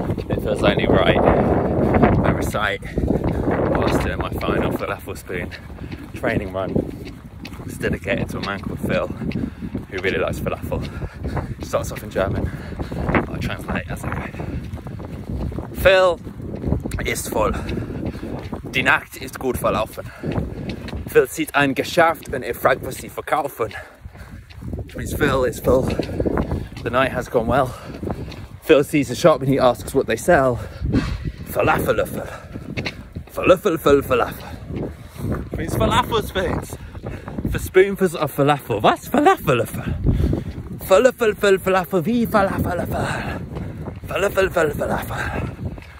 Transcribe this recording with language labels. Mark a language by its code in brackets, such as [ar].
[en] It feels only right I recite whilst doing my final falafel spoon training run. It's dedicated to a man called Phil, who really likes falafel. Starts off in German, but I'll translate as I go. [de] Phil ist voll. Die Nacht ist gut verlaufen. Phil sieht ein Geschäft und er fragt, was sie verkaufen. [en] Which means Phil is full. The night has gone well. Phil sees a shop and he asks what they sell. Falafel, falafel, falafel. It means falafel spoons. For spoonfuls of falafel. What's falafel? Falafel, falafel, falafel, [de] wie falafel, falafel, falafel.